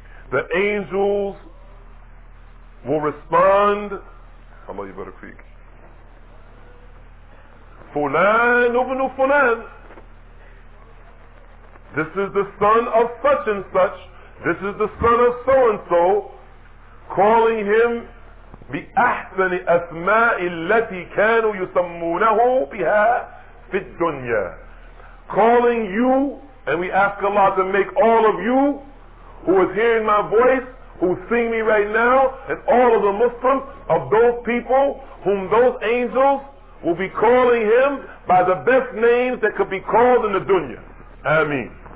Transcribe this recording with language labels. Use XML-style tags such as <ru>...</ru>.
<en>The angels will respond, somebody better speak, Fulan ibn Fulan. This is the son of such and such. This is the son of so and so. Calling him</en> <ar>بأحسن أسماء التي كانوا يسمونه بها في الدنيا.</ar> <en>Calling you, and we ask Allah to make all of you who is hearing my voice, who see me right now, and all of the Muslims, of those people whom those angels will be calling him by the best names that could be called in the dunya. Ameen.</en>